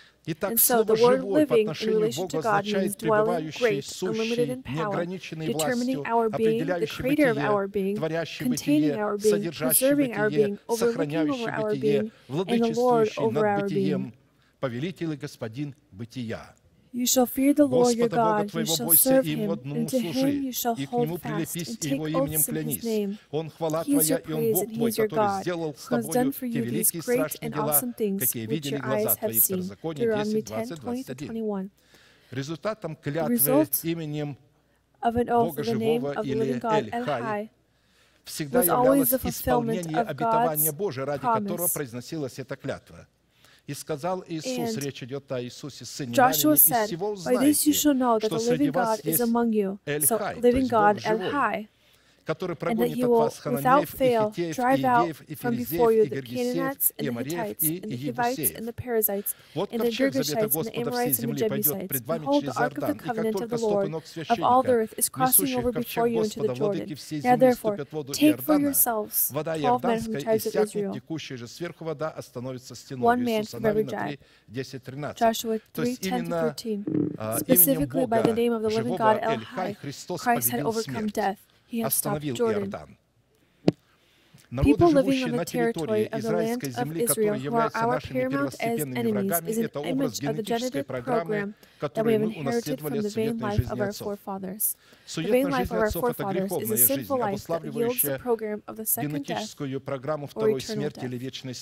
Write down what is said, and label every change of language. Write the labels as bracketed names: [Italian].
[Russian] Итак, [English] and so the word living in relation to God means dwelling, great, unlimited in power, determining our being, the creator of our being, containing our being, preserving our being, overlooking over our being, and the Lord over our being. [Russian] Повелитель и Господин бытия. [English] You shall fear the Lord your God, you shall serve Him, and to Him you shall hold fast, and take oaths in His name. He is your praise, and He is your God, who has done for you these great and awesome things which your eyes have seen. Deuteronomy 10:20-21. The result of an oath in the name of the living God, Эль-Хай, was always the fulfillment of God's promise. [Russian] И сказал Иисус, and речь идет о Иисусе, Сыне Иоанне, из всего узнаете, что среди вас есть Эль-Хай, то есть Бог живой, который прогонит от вас хананеев, и хитеев, и ферезеев, и гергесеев, и амореев, и ебусеев. Вот ковчег завета Господа всей земли пойдет пред вами через Иордан, и как только ступы ног священника, несущих ковчег Господа, владыки всей земли ступят в воду Иордана. Вода Иорданская иссякнет, текущая же сверху вода остановится стеной. Иисуса Навина 3:10-13. То есть именно именем Бога, живого Эль-Хай, Христос победил смерть. [English] He had stopped Jordan. People living on the territory of the land of Israel, who are our paramount as enemies, is an image of the genetic program that we have inherited from the vain life of our forefathers. The vain life of our forefathers is a sinful life that yields the program of the second death or eternal death.